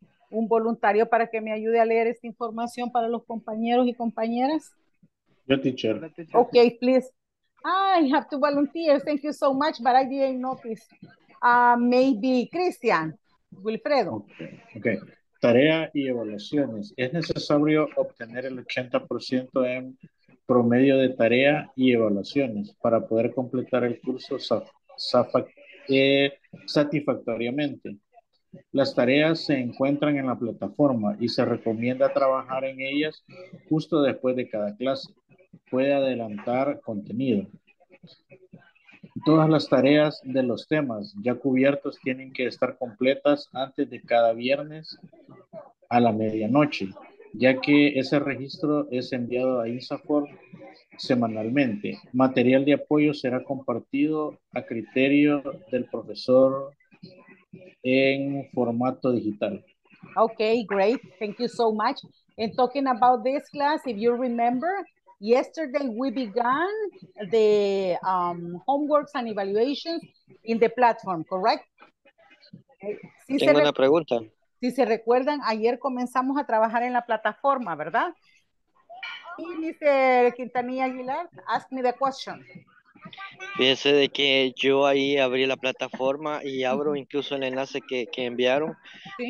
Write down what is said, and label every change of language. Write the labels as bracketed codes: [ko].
[es] Un voluntario para que me ayude a leer esta información para los compañeros y compañeras. Yo, teacher. [en] Okay, please. I have two volunteers. Thank you so much, but I didn't notice. Maybe Christian, Wilfredo. [es] Okay. Okay. Tarea y evaluaciones. ¿Es necesario obtener el 80% en promedio de tarea y evaluaciones para poder completar el curso satisfactoriamente? Las tareas se encuentran en la plataforma y se recomienda trabajar en ellas justo después de cada clase. Puede adelantar contenido. Todas las tareas de los temas ya cubiertos tienen que estar completas antes de cada viernes a la medianoche, ya que ese registro es enviado a INSAFOR semanalmente. Material de apoyo será compartido a criterio del profesor en formato digital. [en] Okay, great. Thank you so much. And talking about this class, if you remember, yesterday we began the homeworks and evaluations in the platform, correct? [es] ¿Sí tengo una pregunta? Si se recuerdan, ayer comenzamos a trabajar en la plataforma, ¿verdad? [en] Y Mr. Quintanilla Aguilar, ask me the question. [es] Fíjense de que yo ahí abrí la plataforma y abro incluso el enlace que enviaron, ¿sí?